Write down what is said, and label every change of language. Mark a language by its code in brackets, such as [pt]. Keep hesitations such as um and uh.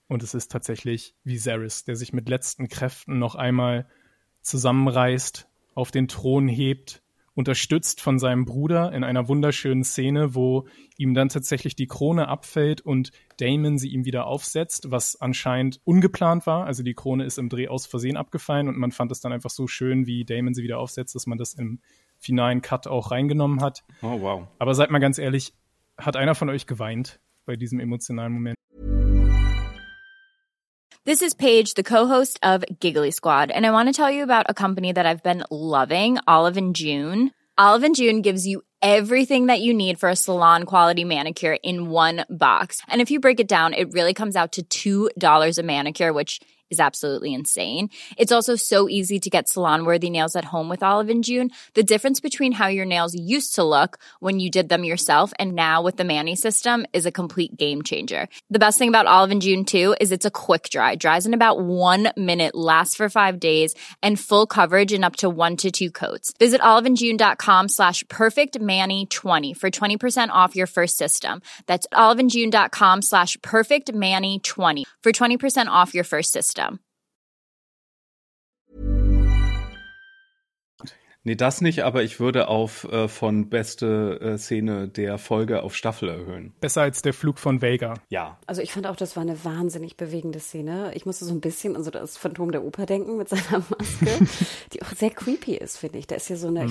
[de] Und es ist tatsächlich Viserys, der sich mit letzten Kräften noch einmal zusammenreißt, auf den Thron hebt unterstützt von seinem Bruder in einer wunderschönen Szene, wo ihm dann tatsächlich die Krone abfällt und Damon sie ihm wieder aufsetzt, was anscheinend ungeplant war. Also die Krone ist im Dreh aus Versehen abgefallen und man fand es dann einfach so schön, wie Damon sie wieder aufsetzt, dass man das im finalen Cut auch reingenommen hat. Oh, wow. Aber seid mal ganz ehrlich, hat einer von euch geweint bei diesem emotionalen Moment? [en] This is Paige, the co host of Giggly Squad, and I want to tell you about a company that I've been loving Olive and June. Olive and June gives you everything that you need for a salon quality manicure in one box. And if you break it down, it really comes out to $2 a manicure, which is absolutely insane. It's also so easy to get salon worthy nails at home with Olive and June. The difference between how your nails used to look when you did them yourself and now with the Manny system is a complete game changer. The best thing about Olive and June, too, is it's a quick dry. It dries in about one minute, lasts for five days, and full coverage in up to one to two coats. Visit oliveandjune.com slash perfectmanny20 for 20% off your first system. That's oliveandjune.com slash perfectmanny20 for 20% off your first system. [de] wieder. Nee, das nicht, aber ich würde auf äh, von beste äh, Szene der Folge auf Staffel erhöhen. Besser als der Flug von Vega. Ja. Also ich fand auch, das war eine wahnsinnig bewegende Szene. Ich musste so ein bisschen an so das Phantom der Oper denken mit seiner Maske, die auch sehr creepy ist, finde ich. Da ist ja so eine, mhm.